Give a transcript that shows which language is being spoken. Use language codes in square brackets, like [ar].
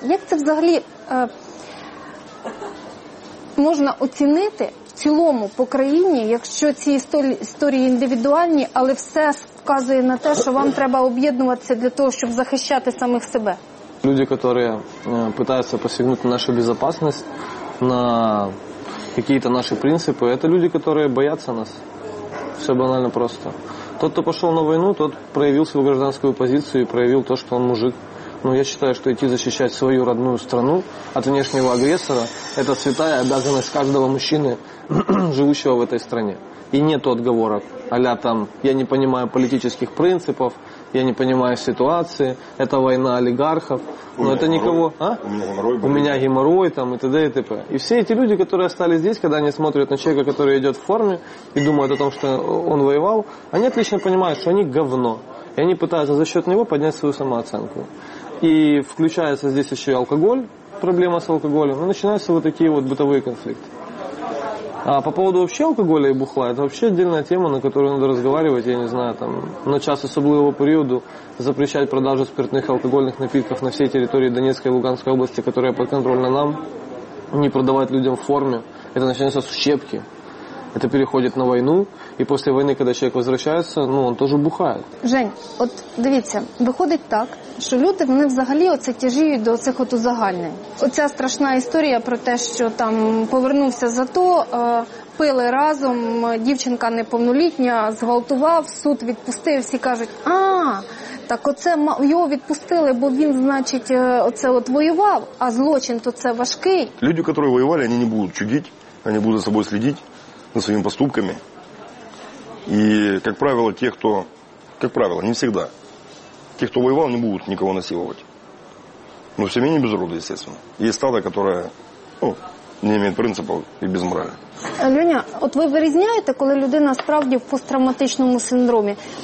[uk] Як це взагалі можна оцінити в цілому по країні, якщо ці історії індивідуальні, але все вказує на те, що вам треба об'єднуватися для того, щоб захищати самих себе? Люди, які намагаються посягнути нашу безпечність, на якісь наші принципи, це люди, які бояться нас. Все банально просто. Тот, хто пішов на війну, тот проявив свою громадянську позицію і проявив те, що він мужик. [ru] Ну, я считаю, что идти защищать свою родную страну от внешнего агрессора – это святая обязанность каждого мужчины, живущего в этой стране. И нету отговорок, а-ля там «я не понимаю политических принципов», «я не понимаю ситуации», «это война олигархов», но это никого… А? «У меня геморрой». «У меня геморрой» там, и т.д. и т.п. И все эти люди, которые остались здесь, когда они смотрят на человека, который идет в форме и думают о том, что он воевал, они отлично понимают, что они говно. И они пытаются за счет него поднять свою самооценку. И включается здесь еще и алкоголь, проблема с алкоголем, и начинаются вот такие вот бытовые конфликты. А по поводу вообще алкоголя и бухла, это вообще отдельная тема, на которую надо разговаривать, я не знаю, там, на час особливого периода запрещать продажу спиртных алкогольных напитков на всей территории Донецкой и Луганской области, которая подконтрольна нам. не продавать людям в форме. Это начинается с ущепки. Это переходит на войну. И после войны, когда человек возвращается, ну, он тоже бухает. [uk] Жень, от дивіться, виходить так, що люди, вони взагалі оце тяжіють до цих от узагальнень. Оця страшна історія про те, що там повернувся за то, пили разом, дівчинка неповнолітня, зґвалтував, суд відпустив, всі кажуть, а, так оце його відпустили, бо він, значить, оце от воював, а злочин то це важкий. Люди, які воювали, вони не будуть чудити, вони будуть за собою слідити, за своїми поступками. [ru] И, как правило, те, кто, как правило, не всегда, те, кто воевал, не будут никого насиловать. Но в семье не без рода, естественно. Есть стадо, которое, ну, не имеет принципов и без морали. Леня, вот вы вырезняете, когда [uk] людина справді [ru] в посттравматичному синдроме?